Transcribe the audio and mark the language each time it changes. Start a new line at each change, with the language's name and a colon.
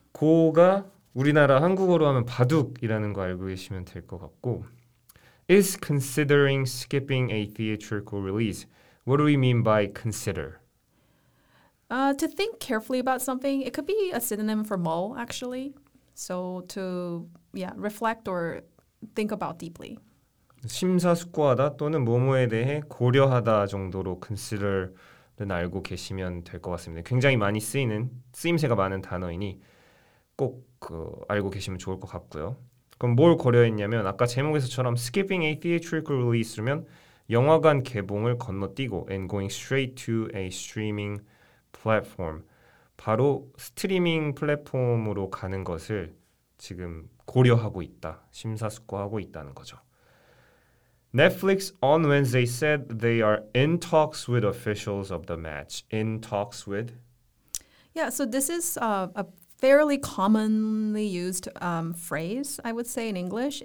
Korean: Go가 우리나라 한국어로 하면 바둑이라는 거 알고 계시면 될 것 같고
English: is considering skipping a theatrical release. What do we mean by consider? To think carefully about something, it could be a synonym for mull, actually. So to, yeah, reflect or think about deeply.
Korean: 심사숙고하다 또는 뭐뭐에 대해 고려하다 정도로 consider는 알고 계시면 될 것 같습니다. 굉장히 많이 쓰이는, 쓰임새가 많은 단어이니 꼭 그 알고 계시면 좋을 것 같고요. 그럼 뭘 고려했냐면 아까 제목에서처럼
English: skipping a theatrical release면
Korean: 영화관 개봉을 건너뛰고
English: and going straight to a streaming platform.
Korean: 바로 스트리밍 플랫폼으로 가는 것을 지금 고려하고 있다. 심사숙고하고 있다는 거죠.
English: Netflix on Wednesday said they are in talks with officials of the match. In talks with? Yeah, so this is a fairly commonly used phrase, I would say, in English.